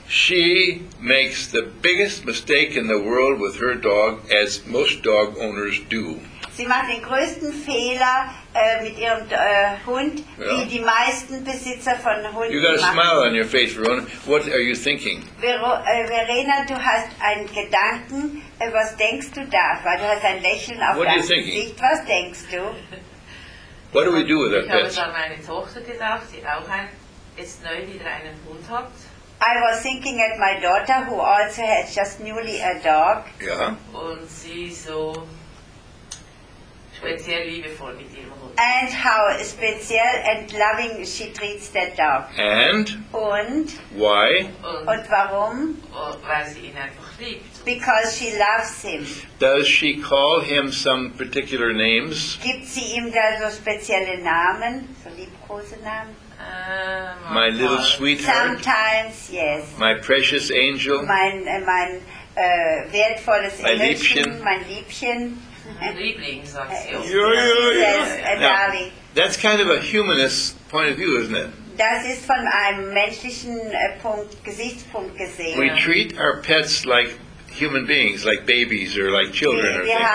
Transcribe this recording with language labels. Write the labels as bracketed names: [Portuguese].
[English] She makes the biggest mistake in the world with her dog, as most dog owners do. [German] Sie macht den größten Fehler mit ihrem Hund, yeah. wie die meisten Besitzer von Hunden machen. [English] You got a [German] machen. [English] Smile on your face, Verona. What are you thinking? [German] Verena, du hast einen Gedanken. Was denkst du da? Weil du hast ein Lächeln auf deinem Gesicht. Was denkst du? [English] What do we do with our pets? [German] Ich habe an meine Tochter gedacht, die auch jetzt neu wieder einen Hund hat. [English] I was thinking at my daughter, who also has just newly a dog. Ja. Yeah. [German] Und sie so speziell liebevoll mit ihrem Hund. [English] And how speziell and loving she treats that dog. And? [German] Und? [English] Why? [German] Und warum? Weil sie ihn einfach liebt. [English] Because she loves him. Does she call him some particular names? [German] Gibt sie ihm da so spezielle Namen, so Liebkosenamen? [English] My little sweetheart. Sometimes, yes. My precious angel. [German] Mein wertvolles Engelchen. Mein Liebchen. Mein Liebling, sagt sie. [English] Darling. That's kind of a humanist point of view, isn't it? [German] Das ist von einem menschlichen Gesichtspunkt gesehen. [English] We treat our pets like human beings, like babies or like children or